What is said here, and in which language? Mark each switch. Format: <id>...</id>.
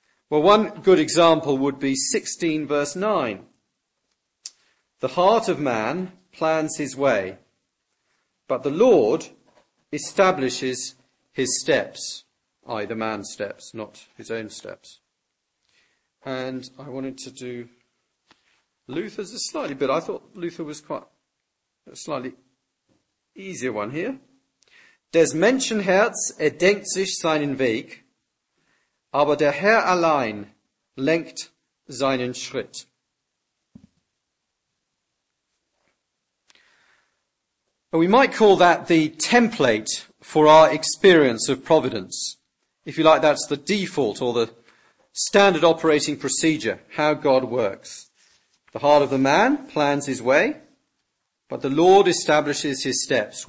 <en>Well, one good example would be 16 verse 9. The heart of man plans his way, but the Lord establishes his steps, i.e. the man's steps, not his own steps. And I wanted to do Luther's a slightly bit. I thought Luther was quite a slightly easier one here.</en> <de>Des Menschenherz erdenkt sich seinen Weg, aber der Herr allein lenkt seinen Schritt.</de> <en>We might call that the template for our experience of providence. If you like, that's the default or the standard operating procedure, how God works. The heart of the man plans his way, but the Lord establishes his steps.</en>